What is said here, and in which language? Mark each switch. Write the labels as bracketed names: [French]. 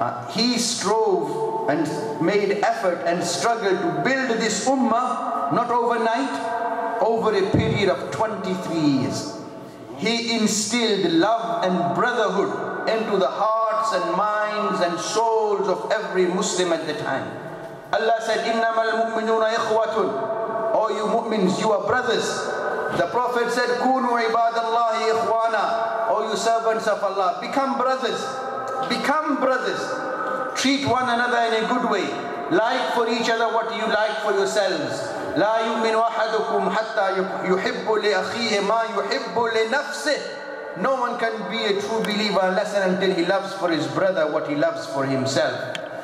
[English] He strove and made effort and struggled to build this ummah, not overnight, over a period of 23 years. He instilled love and brotherhood into the hearts and minds and souls of every Muslim at the time. Allah said, [Arabic] إِنَّمَا الْمُؤْمِنُونَ إِخْوَةٌ. [English] O you mu'mins, you are brothers. The Prophet said, [Arabic] كُونُوا عِبَادَ اللَّهِ إِخْوَانًا. [English] O you servants of Allah, become brothers. Become brothers. Treat one another in a good way. Like for each other what you like for yourselves. [Arabic] لَا يُؤْمِنُ أَحَدُكُمْ حَتَّى يُحِبُّ لِأَخِيهِ مَا يُحِبُّ لِنَفْسِهِ. [English] No one can be a true believer unless and until he loves for his brother what he loves for himself.